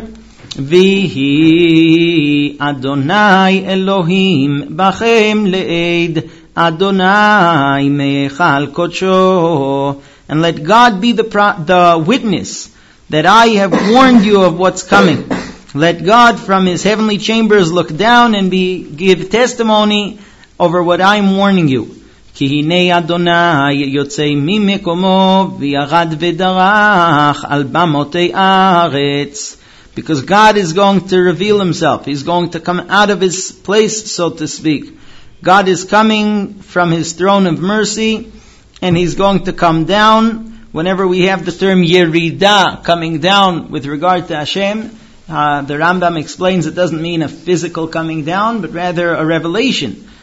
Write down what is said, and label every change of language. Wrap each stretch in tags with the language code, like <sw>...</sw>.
<he>Vihi Adonai Elohim Bachem Leed Adonai Mechal Kocho.</he> <en>And let God be the witness that I have warned you of what's coming. Let God from his heavenly chambers look down and give testimony over what I'm warning you.</en> <he>כי הנה אדוני יוצא ממקומו וירד ודרך על במותי ארץ.</he> <en>Because God is going to reveal himself. He's going to come out of his place, so to speak. God is coming from his throne of mercy, and he's going to come down. Whenever we have the term Yerida, coming down with regard to Hashem, the Rambam explains it doesn't mean a physical coming down, but rather a revelation.</en>